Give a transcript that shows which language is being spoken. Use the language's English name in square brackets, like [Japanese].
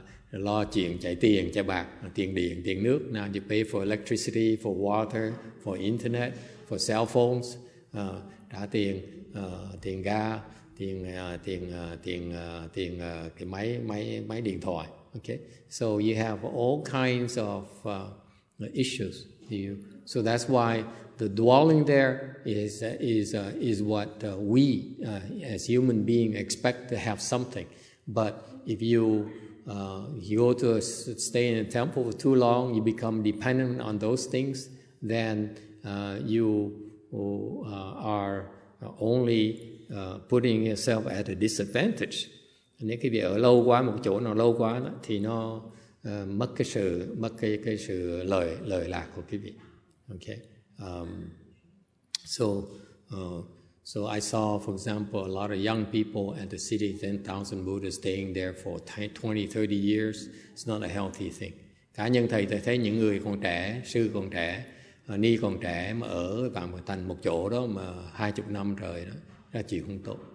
[Vietnamese] Lo chuyện chạy tiền, chạy bạc, tiền điện, tiền nước. [English] Now you pay for electricity, for water, for internet, for cell phones. [Vietnamese] Trả tiền, tiền ga, tiền cái máy điện thoại. [English] Okay, so you have all kinds of issues. So that's why the dwelling there is what we as human being expect to have something. But if you you go to stay in a temple for too long, you become dependent on those things. Then you are only putting yourself at a disadvantage. [Vietnamese] Nếu quý vị ở lâu quá một chỗ nào lâu quá đó, thì nó mất cái sự lợi lạc của quý vị. [English] Okay. So I saw, for example, a lot of young people at the city 10,000 Buddha staying there for 20-30 years. It's not a healthy thing. [Vietnamese] Cá nhân thầy thì thấy những người còn trẻ, sư còn trẻ, ni còn trẻ mà ở vào một thành một chỗ đó mà 20 năm trời đó, ra chuyện không tốt.